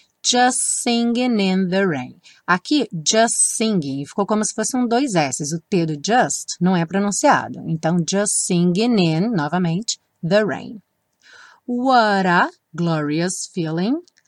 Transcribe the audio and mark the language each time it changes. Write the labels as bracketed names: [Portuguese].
[English] Just singing in the rain. [Portuguese] Aqui, just singing, ficou como se fossem dois S's. O T do just não é pronunciado. Então, [English] just singing in, [Portuguese] novamente, [English] the rain. What a glorious feeling.